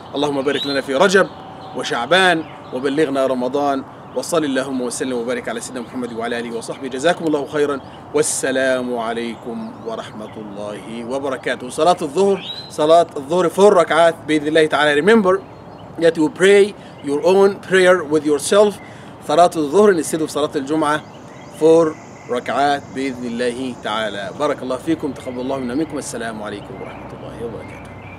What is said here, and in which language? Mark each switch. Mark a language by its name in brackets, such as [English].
[Arabic] اللهم بارك لنا في رجب وشعبان وبلغنا رمضان, وصل اللهم وسلم وبارك على سيدنا محمد وعلى آله وصحبه. جزاكم الله خيرا, والسلام عليكم ورحمة الله وبركاته. صلاة الظهر, صلاة الظهر 4 ركعات بإذن الله تعالى. [English] Remember that you pray your own prayer with yourself. [Arabic] صلاة الظهر [English] instead of [Arabic] صلاة الجمعة 4 ركعات بإذن الله تعالى. بارك الله فيكم, تقبل الله منا ومنكم. السلام عليكم ورحمة الله وبركاته.